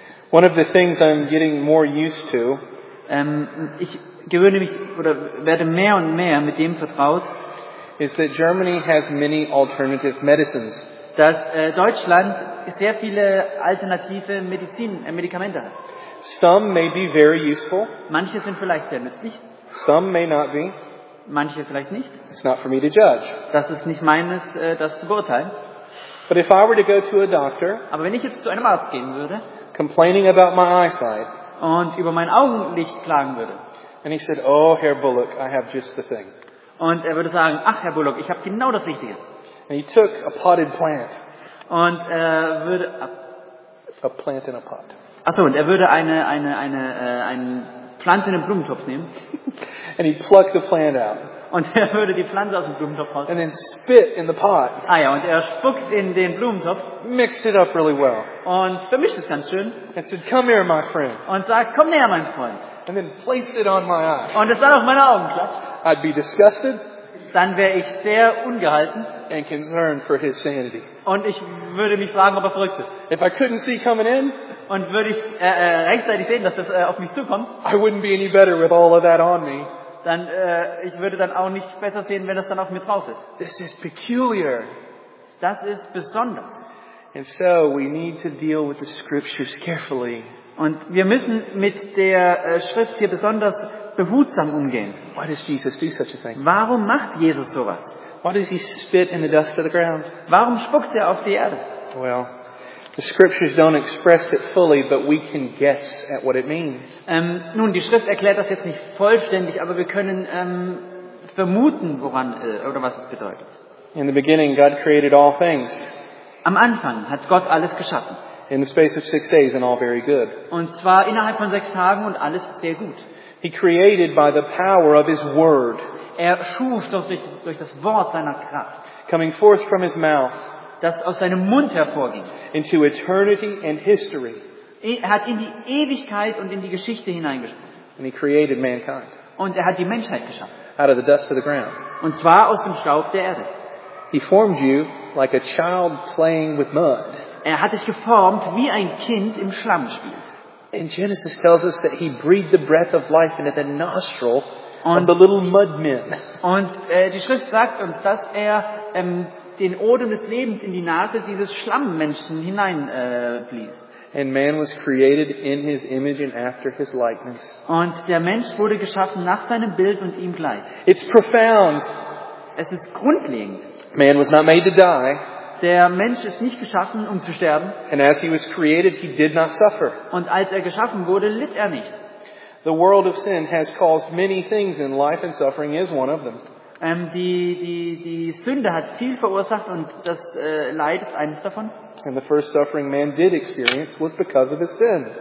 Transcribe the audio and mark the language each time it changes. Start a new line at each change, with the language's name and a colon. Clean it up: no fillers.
English: One of the things I'm getting more used to,
German: ich gewöhne mich oder werde mehr und mehr mit dem vertraut,
English: is that Germany has many alternative medicines.
German: Dass Deutschland sehr viele alternative Medikamente hat.
English: Some may be very useful.
German: Manche sind vielleicht sehr nützlich.
English: Some may not be.
German: Manche vielleicht nicht.
English: It's not for me to judge.
German: Das ist nicht meines, das zu beurteilen.
English: But if I were to go to a doctor,
German: aber wenn ich jetzt zu einem Arzt gehen würde,
English: complaining about my eyesight,
German: und über mein Augenlicht klagen würde,
English: and he said, oh, Herr Bullock, I have just the thing.
German: Und er würde sagen, ach Herr Bullock, ich habe genau das Richtige.
English: And he took a potted plant.
German: Und er würde
English: a plant in a pot.
German: Achso, und er würde eine Pflanze in einen Blumentopf nehmen.
English: And he plucked the plant out.
German: Und er würde die Pflanze aus dem Blumentopf holen.
English: And then spit in the pot.
German: Ah ja, und er spuckt in den Blumentopf.
English: Mixed it up really well.
German: Und vermischt es ganz schön.
English: And said, come here, my friend.
German: Und sagt, komm näher, mein Freund.
English: And then placed it on my eye.
German: Und es dann auf meine Augen klatscht.
English: I'd be disgusted.
German: Dann wäre ich sehr ungehalten.
English: And concerned for his sanity.
German: Und ich würde mich fragen, ob er verrückt ist.
English: If I couldn't see coming in,
German: und würde ich rechtzeitig sehen, dass das auf mich zukommt,
English: I wouldn't be any better with all of that on me.
German: Dann ich würde dann auch nicht besser sehen, wenn das dann auf mir drauf ist.
English: This is peculiar.
German: Das ist besonders.
English: And so we need to deal with the scriptures carefully.
German: Und wir müssen mit der Schrift hier besonders behutsam umgehen.
English: Why does Jesus do such a thing?
German: Warum macht Jesus sowas?
English: Why does he spit in the dust of the ground?
German: Warum spuckt er auf die Erde?
English: Well, the scriptures don't express it fully, but we can guess at what it means.
German: Nun, die Schrift erklärt das jetzt nicht vollständig, aber wir können vermuten, woran oder was es bedeutet.
English: In the beginning, God created all things.
German: Am Anfang hat Gott alles geschaffen.
English: In the space of 6 days and all very good.
German: Und zwar innerhalb von 6 Tagen und alles sehr gut.
English: He created by the power of his word.
German: Er schuf durch das Wort seiner Kraft.
English: Coming forth from his mouth.
German: Das aus seinem Mund hervorging.
English: Into eternity and history.
German: Er hat in die Ewigkeit und in die Geschichte hineingeschaffen.
English: And he created mankind.
German: Und er hat die Menschheit geschaffen.
English: Out of the dust of the ground.
German: Und zwar aus dem Staub der Erde.
English: He formed you like a child playing with mud.
German: Er hat dich geformt, wie ein Kind im Schlamm spielt.
English: And Genesis tells us that he breathed the breath of life into the nostril of the little mud men.
German: Und die Schrift sagt uns, dass er den Odem des Lebens in die Nase dieses Schlammmenschen hineinblies.
English: And man was created in his image and after his likeness.
German: Und der Mensch wurde geschaffen nach seinem Bild und ihm gleich.
English: It's profound.
German: Es ist grundlegend.
English: Man was not made to die.
German: Der Mensch ist nicht geschaffen, um zu sterben.
English: And as he was created, he did not suffer.
German: Und als er geschaffen wurde, litt er nicht.
English: The world of sin has caused many things, and life and suffering is one of them.
German: Die Sünde hat viel verursacht, und das Leid ist eines davon.
English: And the first suffering man did experience was because of his sin.